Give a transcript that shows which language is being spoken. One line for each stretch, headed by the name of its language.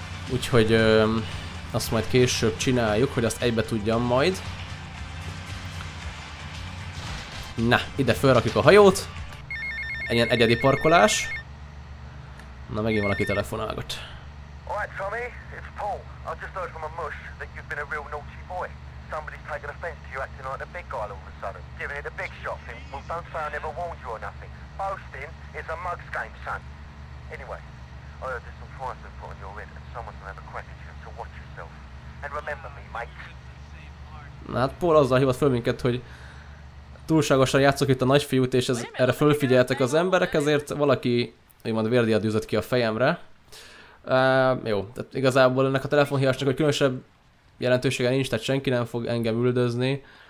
Hungarian: Úgyhogy azt majd később csináljuk, hogy azt egybe tudjam majd. Na, ide felrakjuk a hajót. Ilyen egyedi parkolás. Na, megint valaki telefonálgat.
English: Alright, Tommy, it's Paul. I just heard from a mush that you've been a real naughty boy. Somebody's taken offense to you acting like a big guy all of a sudden, giving it a big shot. Well, don't say I never warned you or nothing. Boasting is a mug's game, son. Anyway, I heard there's some fries they've put on your head and someone's gonna have a crack at you, so watch yourself. And remember me, mate.
Hungarian: Na, hát Paul azzal hívott föl minket, hogy túlságosan játszok itt a nagyfiút, és ez, erre fölfigyeltek az emberek, ezért valaki, úgymond vérdiát dűzött ki a fejemre. Jó, tehát igazából ennek a telefonhívásnak egy különösebb jelentősége nincs, tehát senki nem fog engem üldözni.